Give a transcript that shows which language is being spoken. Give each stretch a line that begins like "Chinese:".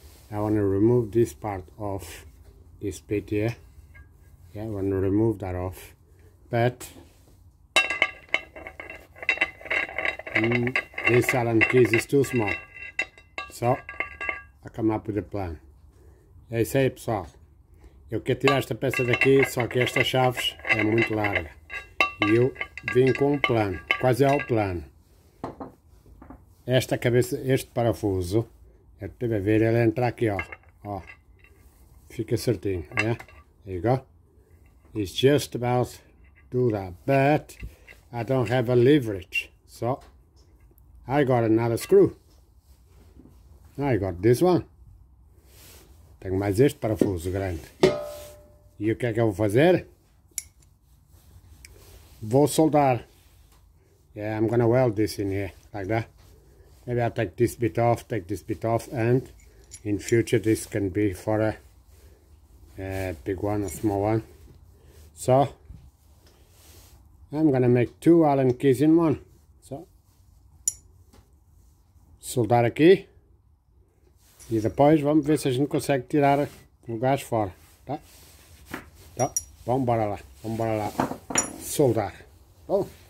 English: I want to remove this part off this bit here. Yeah, I want to remove that off. But this Allen key is too small, so I come up with a plan.
Portuguese: É isso aí, pessoal. Eu quero tirar esta peça daqui, só que esta chave é muito larga. E eu vim com um plano, quase ao plano. Esta cabeça, este parafuso, eu tive a ver ele entrar aqui, ó. Ó, fica certinho, né?
English: There you go. It's just about do that, but I don't have a leverage, so I got another screw. I got this one.
Portuguese: Tenho mais este parafuso grande. E o que é que eu vou fazer? Vou soldar.
English: Yeah, I'm gonna weld this in here, like that. Maybe I'll take this bit off, and in future this can be for a big one, a small one. So, I'm gonna make two Allen keys in one.
Portuguese: Soldar aqui e depois vamos ver se a gente consegue tirar o gás fora, tá? Então, vamos embora lá soldar, bom?